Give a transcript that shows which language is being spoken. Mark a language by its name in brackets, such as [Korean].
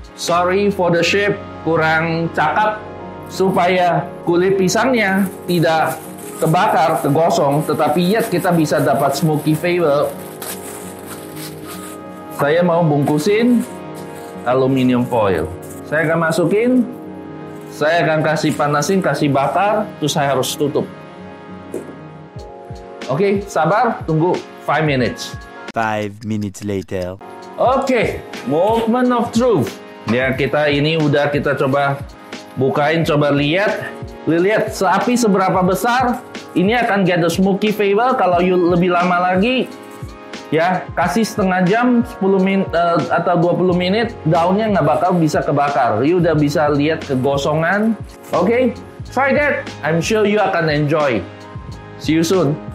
[English] Sorry for the shape, [Indonesian] kurang cakep. Supaya kulit pisangnya tidak terbakar, tergosong, tetapi yet kita bisa dapat [English] smoky flavor. [Indonesian] Saya mau bungkusin aluminium foil. Saya akan masukin, saya akan kasih panasin, kasih bakar, terus saya harus tutup. Oke, sabar, tunggu 5 minutes. [English] 5 minutes later. [Indonesian] Okay, moment of truth. Ya, kita ini udah kita coba bukain, coba lihat. Lihat api seberapa besar. Ini akan [English] get the smoky flavor [Indonesian] kalau you lebih lama lagi. Ya, kasih setengah jam, 10 menit atau 20 menit, daunnya nggak bakal bisa kebakar. You udah bisa lihat kegosongan. [English] Okay, try that. I'm sure you [Indonesian] akan [English] enjoy. See you soon.